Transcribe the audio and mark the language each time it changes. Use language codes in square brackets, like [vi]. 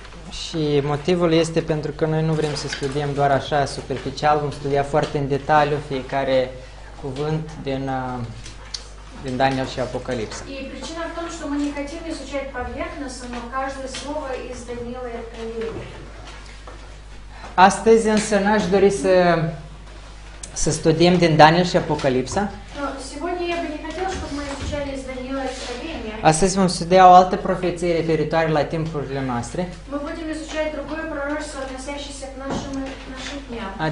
[ro] Și motivul este pentru că noi nu vrem să studiem doar așa superficial, vom studia foarte în detaliu fiecare cuvânt din din Daniel și Apocalipsa. [ru] И причина в том, что мы не хотим изучать поверхностно, но каждое слово из Даниила и Откровения. [ro] Astăzi însă n-aș dori să studiem din Daniel și Apocalipsa. [ru] Сегодня я бы не хотел, чтобы мы изучали из Даниила и Откровения. [ro] Astăzi vom studia o altă profeție referitoare la timpurile noastre. [ru] Мы будем изучать другое пророчество, относящееся к нашим дням.